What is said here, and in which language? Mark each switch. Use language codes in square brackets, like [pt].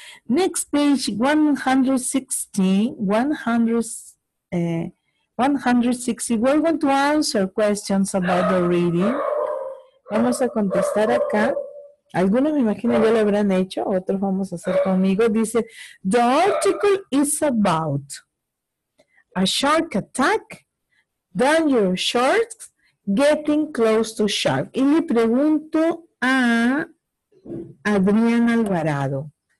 [en] Next page, 160, we're going to answer questions about the reading. [es] Vamos a contestar acá. Algunos me imagino ya lo habrán hecho, otros vamos a hacer conmigo. Dice, [en] the article is about a shark attack, dangerous sharks, getting close to shark. [es] Y le pregunto a Adrián Alvarado.